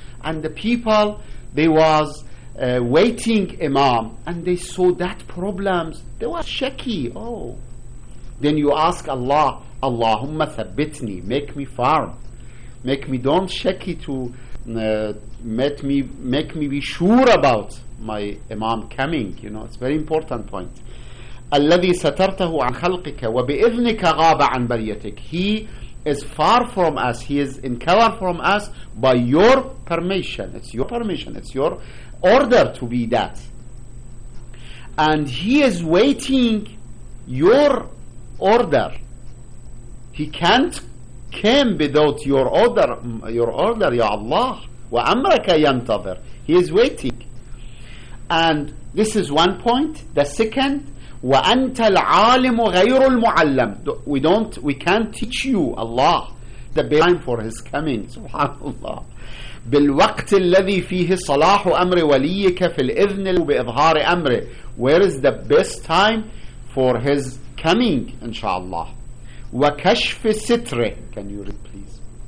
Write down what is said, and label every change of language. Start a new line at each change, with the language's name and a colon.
English: And the people, they was waiting Imam, and they saw that problems. They were shaky. Oh, then you ask Allah, Allahumma thabbitni, make me firm, make me don't shaky to make me be sure about my Imam coming, you know, it's a very important point.
Arabic: الذي سترته عن خلقك وبإذنك غاب عن بريتك.
English: He is far from us, he is in cover from us by your permission. It's your permission, it's your order to be that. And he is waiting your order. He can't come without your order, ya Allah.
Arabic: وأمرك ينتظر.
English: He is waiting. And this is one point. The second,
Arabic: وَأَنْتَ الْعَالِمُ غَيْرُ الْمُعَلَّمُ.
English: We can't teach you Allah the best time for his coming.
Arabic: Subhanallah. بِالْوَقْتِ الَّذِي فِيهِ صَلَاحُ أَمْرِ وَلِيِّكَ فِي الْإِذْنِ بِإِظْهَارِ أَمْرِ.
English: Where is the best time for his coming, inshallah.
Arabic: وَكَشْفِ سِتْرِ.
English: Can you read, please?